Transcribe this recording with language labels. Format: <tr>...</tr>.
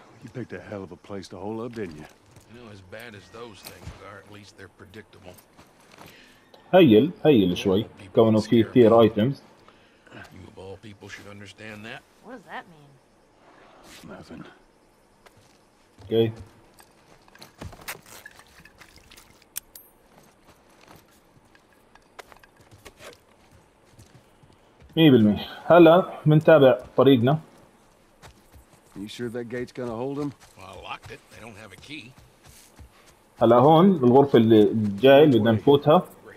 <en>You picked a hell of a place to hold up, didn't you? You know, as bad as those things are, at least they're predictable.</en> <ar>هيل هيل شوي كونه في كثير ايتمز.</ar> <en>You of all people should understand that. What does that mean? Nothing. Okay.</en> <ar>مية بالمية. هلا منتابع طريقنا.</ar> <en>You sure that gate's gonna hold them? Well, I locked it. They don't have a key.</en> <ar>هلا هون الغرفة اللي جاي اللي بدنا نفوتها.</ar>